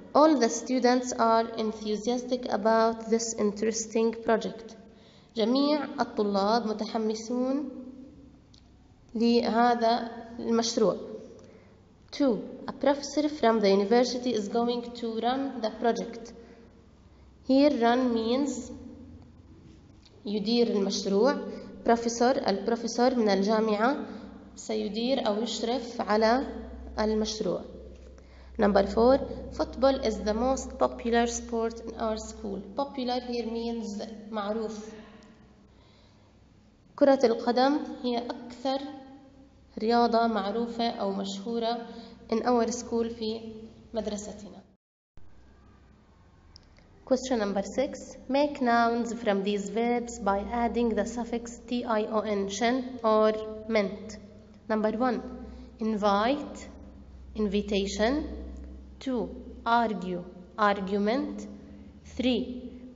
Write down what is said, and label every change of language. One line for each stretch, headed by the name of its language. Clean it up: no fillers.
English: All the students are enthusiastic about this interesting project.
Arabic: جميع الطلاب متحمسون لهذا المشروع.
English: 2. A professor from the university is going to run the project. Here run means
Arabic: يدير المشروع. Professor, البروفيسور من الجامعة سيدير أو يشرف على المشروع.
English: Number 4. Football is the most popular sport in our school. Popular here means معروف.
Arabic: كرة القدم هي أكثر رياضة معروفة أو مشهورة
English: in our school
Arabic: في مدرستنا.
English: Question number 6. Make nouns from these verbs by adding the suffix t-i-o-n, shen or meant. Number 1. Invite, invitation. 2. Argue, argument. 3.